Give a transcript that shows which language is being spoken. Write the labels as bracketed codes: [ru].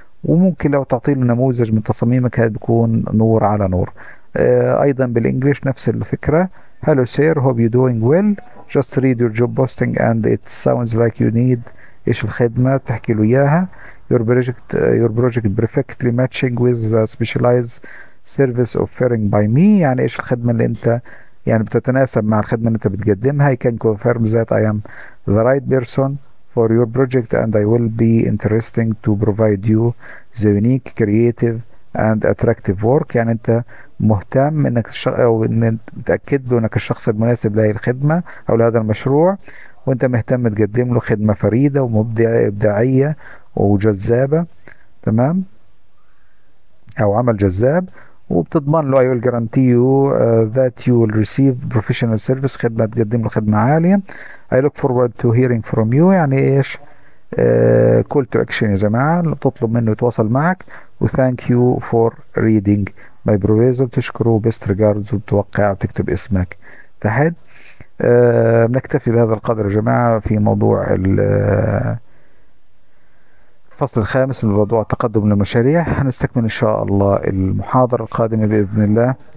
[ar] وممكن لو تعطي له نموذج من تصاميمك هذا بيكون نور على نور. أيضا بالإنجليش نفس الفكرة. [en] Hello sir, hope you're doing well. Just read your job posting and it sounds like you need [ar] إيش الخدمة، تحكي له إياها. [en] Your project perfectly matching with the specialized service offering by me. [ar] يعني إيش الخدمة اللي أنت يعني بتتناسب مع الخدمة اللي أنت بتقدمها. [en] I can confirm that I am the right person for your project and I will be interesting to provide you the unique creative and attractive work. [ar] يعني انت مهتم انك او ان تاكد له انك الشخص المناسب لهذه الخدمه او لهذا المشروع، وانت مهتم تقدم له خدمه فريده ومبدعه ابداعيه وجذابه، تمام، او عمل جذاب. وبتضمن له [en] I will guarantee you that you will receive professional service، [ar] خدمه تقدم له خدمه عاليه. [en] I look forward to hearing from you. [ar] يعني ايش [en] call to action [ar] يا جماعه، تطلب منه يتواصل معك. [en] و thank you for reading my proposal، [ar] تشكره، [en] best regards، [ar] وتوقع وتكتب اسمك تحت. بنكتفي بهذا القدر يا جماعة في موضوع ال الفصل الخامس من موضوع تقدم المشاريع، هنستكمل إن شاء الله المحاضرة القادمة بإذن الله.